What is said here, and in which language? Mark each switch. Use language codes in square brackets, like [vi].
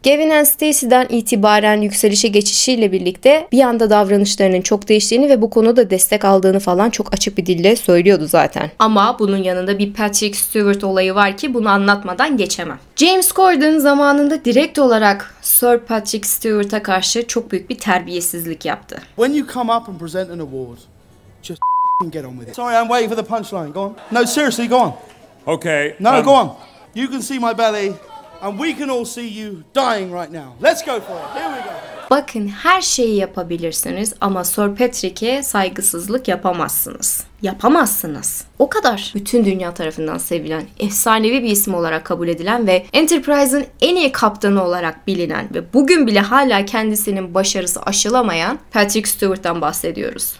[tr] Gavin and Stacey'den itibaren yükselişe geçişiyle birlikte bir anda davranışlarının çok değiştiğini ve bu konuda destek aldığını falan çok açık bir dille söylüyordu zaten. Ama bunun yanında bir Patrick Stewart olayı var ki bunu anlatmadan geçemem. James Corden zamanında direkt olarak Sir Patrick Stewart'a karşı çok büyük bir terbiyesizlik yaptı. [en] When you come up and present an award, just get on with it. Sorry, I'm waiting for the punchline. Go on. No, seriously, go on. Okay. No, go on. You can see my belly and we can all see you dying right now. Let's go for it. Here we go. [tr] Bakın, her şeyi yapabilirsiniz ama Sir Patrick'e saygısızlık yapamazsınız. Yapamazsınız. O kadar bütün dünya tarafından sevilen, efsanevi bir isim olarak kabul edilen ve Enterprise'ın en iyi kaptanı olarak bilinen ve bugün bile hala kendisinin başarısı aşılamayan Patrick Stewart'tan bahsediyoruz.